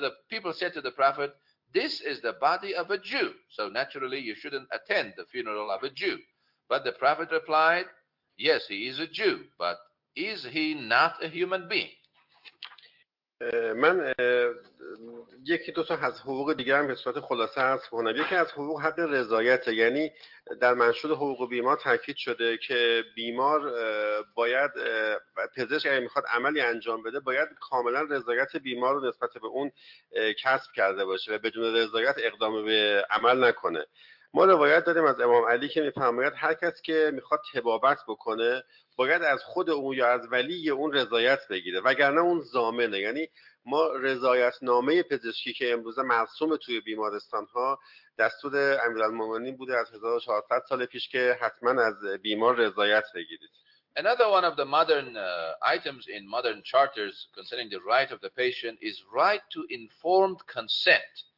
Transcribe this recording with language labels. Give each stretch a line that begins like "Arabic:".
English: People said to the Prophet, this is the body of a Jew, so naturally you shouldn't attend the funeral of a Jew. But the Prophet replied, yes, he is a Jew, but is he not a human being?
Persian: من یکی دو تا از حقوق دیگه هم به صورت خلاصه عرض کنم. یکی از حقوق حق رضایت، یعنی در منشور حقوق بیمار تاکید شده که بیمار باید، پزشک اگر میخواد عملی انجام بده باید کاملا رضایت بیمار رو نسبت به اون کسب کرده باشه و بدون رضایت اقدام به عمل نکنه. ما روایت داریم از امام علی که میفرماید هر کس که میخواد طبابت بکنه باید از خود اون یا از ولی اون رضایت بگیره، وگرنه اون زامنه. یعنی ما رضایت نامه پزشکی که امروز مرسوم توی بیمارستان ها دستور امیرالمومنین بوده از 1400 سال پیش که حتما از بیمار رضایت بگیرید.
English: Another one of the modern items in modern charters concerning the right of the patient is right to informed consent.